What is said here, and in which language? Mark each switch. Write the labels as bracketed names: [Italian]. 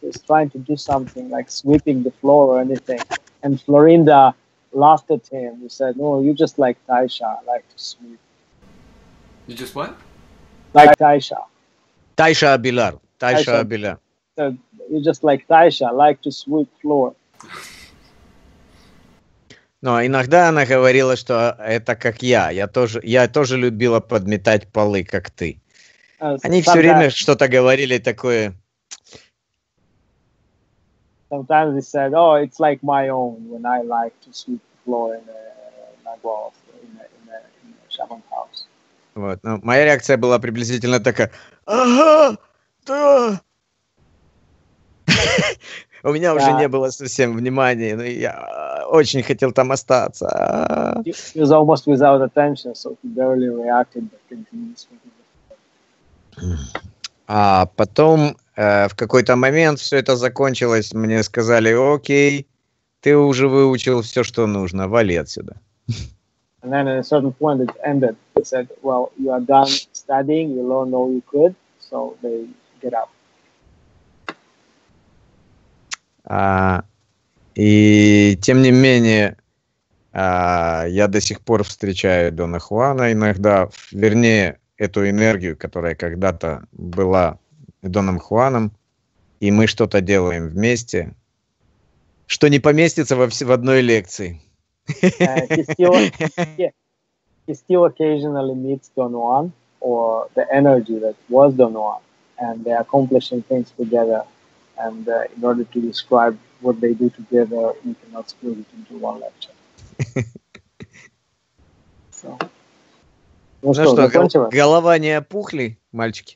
[English] He was trying to do something like sweeping the floor or anything. And Florinda laughed at him. He said, "No, you just like Taisha, like to sweep." You just what? Like Taisha. Taisha Abilar. Taisha Abilar. So you just like Taisha, like to sweep floor. [Russian] Но иногда она говорила, что это как я. Я тоже любила подметать полы, как ты. Они все время что-то говорили такое. [English] Sometimes they said, "Oh, it's like my own when I like to sweep the floor in my walls in a shaman house." [Russian] Вот. Но моя реакция была приблизительно такая: "Ага, да." У меня уже не было совсем внимания, но я очень хотел там остаться. [English] He was almost without attention, so he barely reacted, but continued speaking. [Russian] А потом в какой-то момент все это закончилось, мне сказали: "Окей, ты уже выучил все, что нужно, вали отсюда." [English] And then at a certain point it ended. They said, "Well, you are done studying, you learned all you could, so they get out." [Russian] И тем не менее, я до сих пор встречаю Дона Хуана иногда, вернее, эту энергию, которая когда-то была Доном Хуаном, и мы что-то делаем вместе, что не поместится в одной лекции. [English] He still occasionally meets Don Juan, or the energy that was Don Juan, and they're accomplishing things together. And in order to describe what they do together, you cannot split it into one lecture. So. [Russian] Ну что, голова не опухли, мальчики?